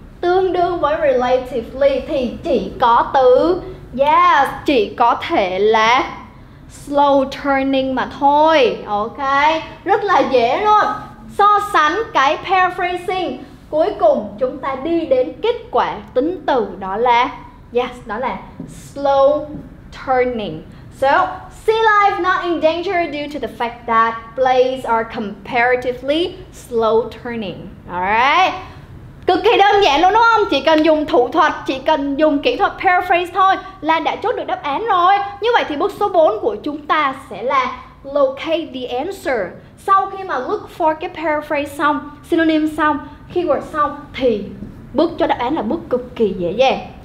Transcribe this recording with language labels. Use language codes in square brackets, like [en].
[vi] Tương đương với relatively thì chỉ có từ, yes, chỉ có thể là slow turning mà thôi, ok? Rất là dễ luôn. So sánh cái paraphrasing, cuối cùng chúng ta đi đến kết quả tính từ đó là, yes, đó là slow turning. [en] So, sea life not in danger due to the fact that plays are comparatively slow turning. Alright? [vi] Cực kỳ đơn giản luôn đúng không? Chỉ cần dùng thủ thuật, chỉ cần dùng kỹ thuật paraphrase thôi là đã chốt được đáp án rồi. Như vậy thì bước số 4 của chúng ta sẽ là [en] locate the answer. [vi] Sau khi mà look for cái paraphrase xong, synonym xong, keyword xong thì bước cho đáp án là bước cực kỳ dễ dàng.